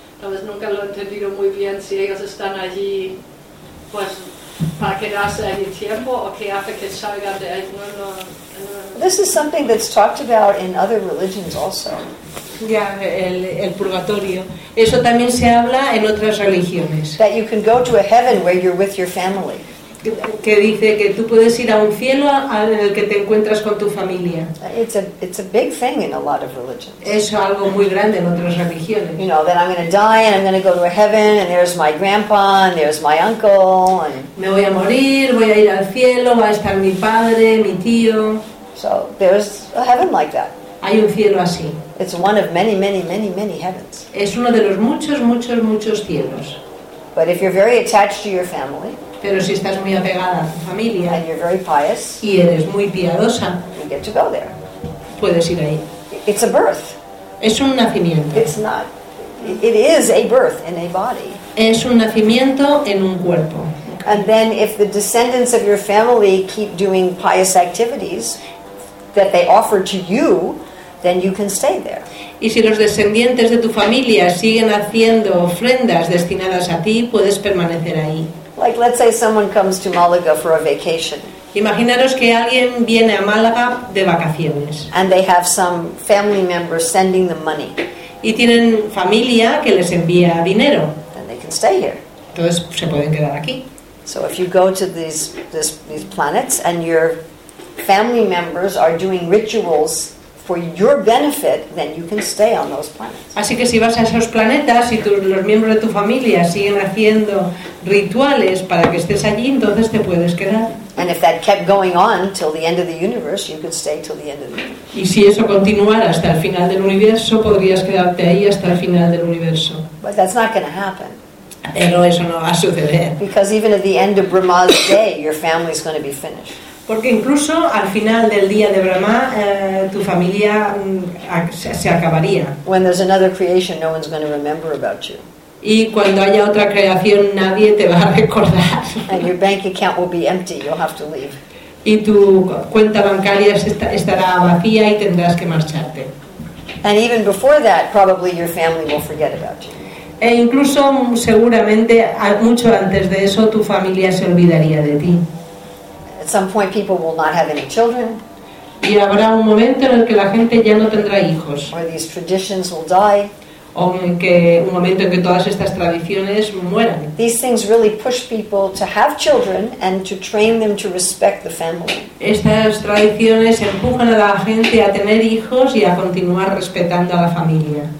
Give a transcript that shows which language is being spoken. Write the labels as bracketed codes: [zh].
[es] Entonces nunca lo he entendido muy bien si ellos están allí pues para quedarse allí tiempo o qué hace que salgan de ahí. [en] This is something that's talked about in other religions also. [es] El purgatorio. Eso también se habla en otras religiones. [en] That you can go to a heaven where you're with your family. [es] Que dice que tú puedes ir a un cielo al que te encuentras con tu familia. [en] It's a big thing in a lot of religions. [es] Es algo muy grande en otras religiones. [en] You know, that I'm going to die and I'm going to go to a heaven and there's my grandpa and there's my uncle. And [es] me voy a morir, voy a ir al cielo, va a estar mi padre, mi tío. [en] So there's a heaven like that. [es] Hay un cielo así. [en] It's one of many, many, many, many heavens. [es] Es uno de los muchos, muchos, muchos cielos. [en] But if you're very attached to your family, [es] pero si estás muy apegada a tu familia, [en] and you're very pious, [es] y eres muy piadosa, [en] you get to go there. [es] Puedes ir ahí. [en] It's a birth. [es] Es un nacimiento. [en] It's not. It is a birth in a body. [es] Es un nacimiento en un cuerpo. [en] And then if the descendants of your family keep doing pious activities that they offer to you, then you can stay there. [es] Y si los descendientes de tu familia siguen haciendo ofrendas destinadas a ti, puedes permanecer ahí. [en] Like let's say someone comes to Malaga for a vacation. [es] Imaginaros que alguien viene a Málaga de vacaciones. [en] And they have some family members sending them money. [es] Y tienen familia que les envía dinero. [en] Then they can stay here. [es] Entonces se pueden quedar aquí. [en] So if you go to these planets and your family members are doing rituals for your benefit, then you can stay on those planets. [es] Así que si vas a esos planetas y los miembros de tu familia siguen haciendo rituales para que estés allí, entonces te puedes quedar. [en] And if that kept going on till the end of the universe, you could stay till the end of the universe. [es] Y si eso continuara hasta el final del universo, podrías quedarte ahí hasta el final del universo. [en] But that's not going to happen. [es] Pero eso no va a suceder. [en] Because even at the end of Brahma's day, your family is going to be finished. [es] Porque incluso al final del día de Brahma, tu familia se acabaría. [en] When there's another creation, no one's going to remember about you. [es] Y cuando haya otra creación, nadie te va a recordar. [en] And your bank account will be empty. You'll have to leave. [es] Y tu cuenta bancaria estará vacía y tendrás que marcharte. [en] And even before that, probably your family will forget about you. [es] E incluso seguramente mucho antes de eso tu familia se olvidaría de ti. [en] At some point people will not have any children. [es] Y habrá un momento en el que la gente ya no tendrá hijos. [en] Or these traditions will die. [es] O que un momento en que todas estas tradiciones mueran. [en] These things really push people to have children and to train them to respect the family. [es] Estas tradiciones empujan a la gente a tener hijos y a continuar respetando a la familia.